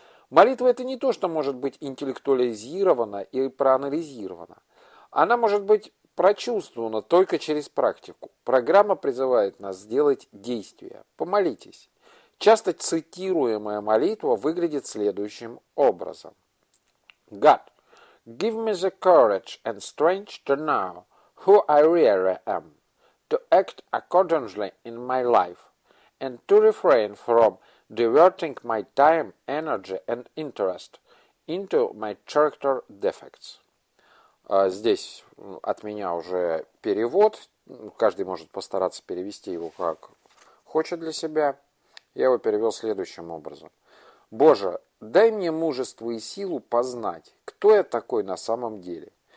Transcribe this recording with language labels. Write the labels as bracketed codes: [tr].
[ru] Молитва – это не то, что может быть интеллектуализировано или проанализировано. Она может быть прочувствована только через практику. Программа призывает нас сделать действия. Помолитесь. Часто цитируемая молитва выглядит следующим образом. [en] God, give me the courage and strength to know who I really am, to act accordingly in my life, and to refrain from diverting my time, energy and interest into my character defects. [ru] Здесь от меня уже перевод. Каждый может постараться перевести его как хочет для себя. Я его перевел следующим образом. Боже, дай мне мужество и силу познать, кто я такой на самом деле.